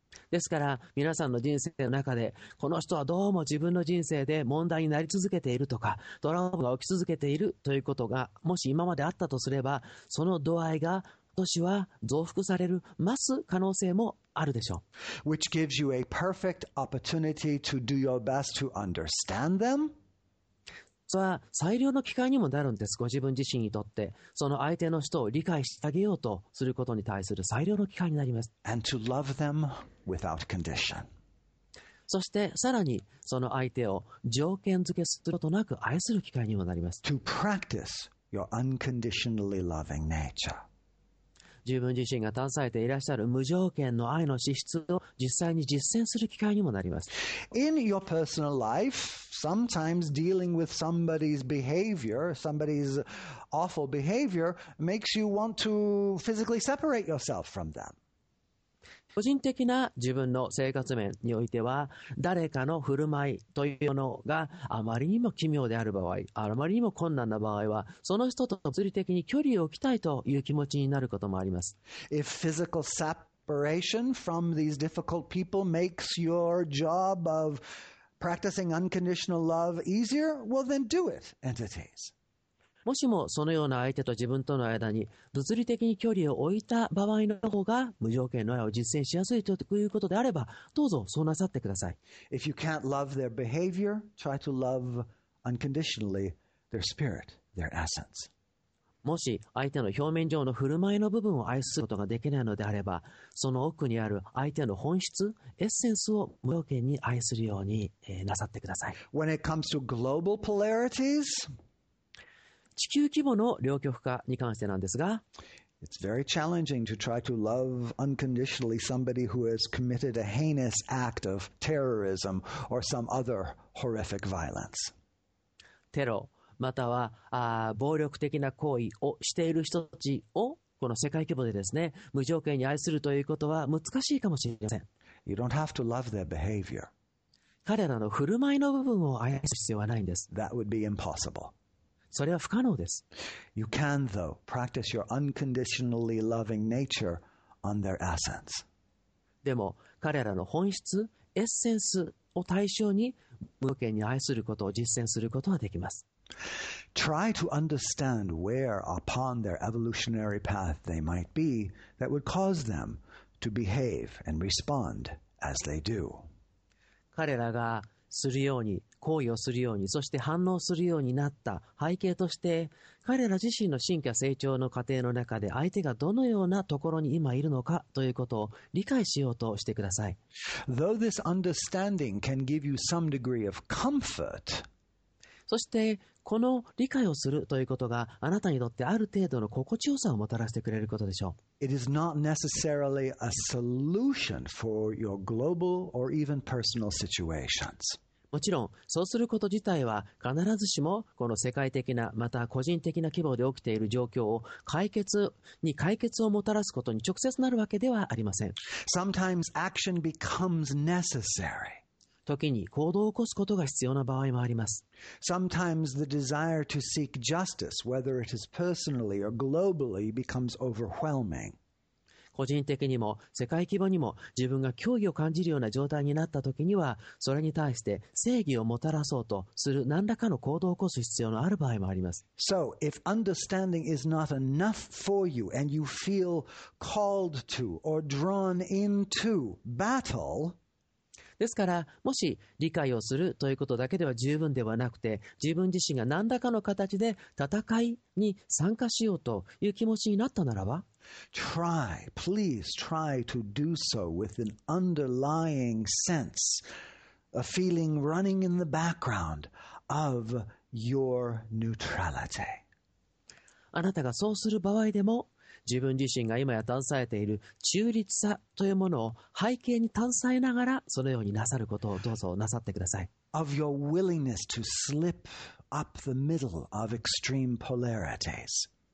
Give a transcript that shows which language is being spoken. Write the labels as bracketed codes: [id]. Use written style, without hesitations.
[ja] ですから皆さんの人生の中でこの人はどうも自分の人生で問題になり続けているとか、トラブルが起き続けているということがもし今まであったとすれば、その度合いが今年は増幅される、増す可能性もあるでしょう。 [en] Which gives you a perfect opportunity to do your best to understand them. [ja] それは最良の機会にもなるんです。ご自分自身にとってその相手の人を理解してあげようとすることに対する最良の機会になります。 [en] And to love themWithout condition. [ja] そしてさらにその相手を条件付けすることなく愛する機会にもなります。 [en] To practice your unconditionally loving nature. [ja] 自分自身が携えていらっしゃる無条件の愛の資質を実際に実践する機会にもなります。 [en] In your personal life, sometimes dealing with somebody's behavior, somebody's awful behavior, makes you want to physically separate yourself from them. [ja] 個人的な自分の生活面においては、誰かの振る舞いというのがあまりにも奇妙である場合、あまりにも困難な場合は、その人と物理的に距離を置きたいという気持ちになることもあります。 [en] If physical separation from these difficult people makes your job of practicing unconditional love easier, well then do it, entities. [ja] もしもそのような相手と自分との間に物理的に距離を置いた場合の方が無条件の愛を実践しやすいということであれば、どうぞそうなさってください。 [en] If you can't love their behavior, try to love unconditionally their spirit, their essence. [ja] もし相手の表面上の振る舞いの部分を愛することができないのであれば、その奥にある相手の本質、エッセンスを無条件に愛するようになさってください。 [en] When it comes to global polarities, [ja] 地球規模の両極化に関してなんですが、 [en] It's very challenging to try to love unconditionally somebody who has committed a heinous act of terrorism or some other horrific violence. [ja] テロまたは暴力的な行為をしている人たちをこの世界規模でですね、無条件に愛するということは難しいかもしれません。 [en] You don't have to love their behavior. [ja] 彼らの振る舞いの部分を愛する必要はないんです。 [en] That would be impossible. [ja] それは不可能です。 [en] You can, though, practice your unconditionally loving nature on their essence. [ja] でも、彼らの本質、エッセンスを対象に、無条件に愛することを実践することはできます。 [en] Try to understand where upon their evolutionary path they might be that would cause them to behave and respond as they do. [ja] 彼らがするように、行為をするように、そして反応するようになった背景として、彼ら自身の進化成長の過程の中で相手がどのようなところに今いるのかということを理解しようとしてください。 [en] Though this understanding can give you some degree of comfort, [ja] そしてこの理解をするということがあなたにとってある程度の心地よさをもたらしてくれることでしょう。 [en] It is not necessarily a solution for your global or even personal situations. [ja] もちろん、そうすること自体は必ずしもこの世界的な、また個人的な規模で起きている状況を解決をもたらすことに直接なるわけではありません。 [en] Sometimes action becomes necessary. [ja] 時に行動を起こすことが必要な場合もあります。 [en] Sometimes the desire to seek justice, whether it is personally or globally, becomes overwhelming. [ja] 個人的にも世界規模にも自分が脅威を感じるような状態になった時には、それに対して正義をもたらそうとする何らかの行動を起こす必要のある場合もあります。 [en] So, if understanding is not enough for you and you feel called to or drawn into battle, [ja] ですから、もし理解をするということだけでは十分ではなくて、自分自身が何らかの形で戦いに参加しようという気持ちになったならば、 [en] Try, please try to do so with an underlying sense, a feeling running in the background of your neutrality. [ja] あなたがそうする場合でも、自分自身が今や携えている中立さというものを背景に携えながらそのようになさることをどうぞなさってください。 [en] Of your willingness to slip up the middle of extreme polarities.